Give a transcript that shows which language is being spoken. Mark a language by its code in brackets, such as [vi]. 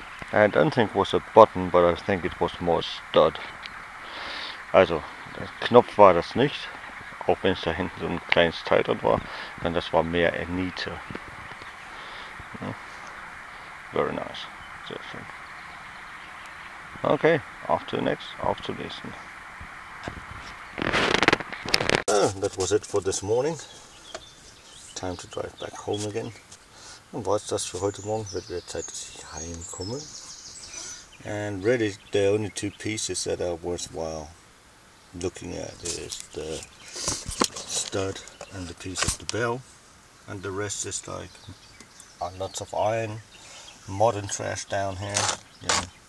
[en] I don't think it was a button, but I think it was more a stud. [de] Also, der Knopf war das nicht, auch wenn es da hinten so ein kleines Teil drin war, denn das war mehr eine Niete. [en] Very nice, [de] sehr schön. Okay, auf zum nächsten. [en] That was it for this morning. Time to drive back home again. [de] Und war es das für heute Morgen, wird wieder Zeit, dass ich heimkomme. [en] And really, the only two pieces that are worthwhile looking at is the stud and the piece of the bell, and the rest is like lots of iron, modern trash down here. Yeah.